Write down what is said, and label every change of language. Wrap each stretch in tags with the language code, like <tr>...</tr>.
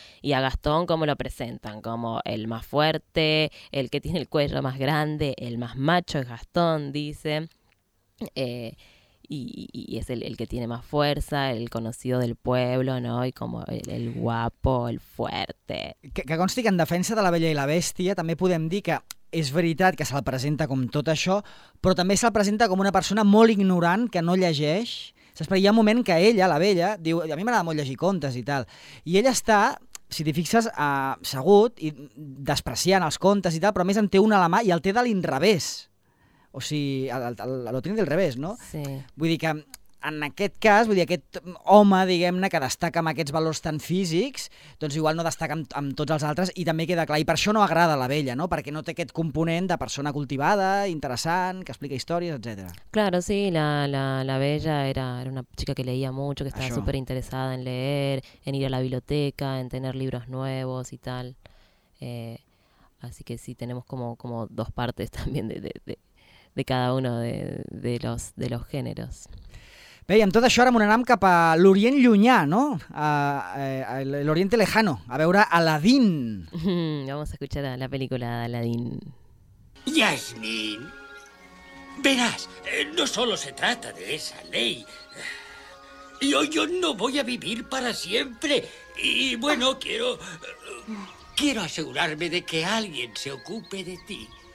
<es>Y a Gastón, ¿cómo lo presentan? Como el más fuerte, el que tiene el cuello más grande, el más macho es Gastón, dice. Y es el que tiene más fuerza, el conocido del pueblo, ¿no? Y como el guapo, el fuerte.</es> <ca>Que consti que en defensa de la Bella i la Bèstia també podem dir que és veritat que se la presenta com tot això, però també se la presenta com una persona molt ignorant que no llegeix. Saps? Perquè hi ha un moment que ella, la Bella, diu, a mi m'agrada molt llegir contes i tal, i ella està, si t'hi fixes, assegut i despreciant els contes i tal, però a més en té un a la mà i el té de l'inrevés. O sigui, el té del revés, no? Sí. Vull dir que en aquest cas, vull dir, aquest home, diguem-ne, que destaca amb aquests valors tan físics, doncs igual no destaca amb tots els altres i també queda clar. I per això no agrada la Bella, no? Perquè no té aquest component de persona cultivada, interessant, que explica històries, etc.</ca> <es>Claro, sí, la Bella era una chica que leía mucho, que estaba súper interesada en leer, en ir a la biblioteca, en tener libros nuevos y tal. Así que sí, tenemos como dos partes también de cada uno de los géneros.</es> <ca>Bé, i amb tot això ara m'anem cap a l'Orient llunyà, no? A l'Orient lejano, a veure Aladdin.</ca> <es>Vamos a escuchar la película d'Aladdin. Yasmín, verás, no solo se trata de esa ley. Yo no voy a vivir para siempre. Y bueno, quiero asegurarme de que alguien se ocupe de ti.</es>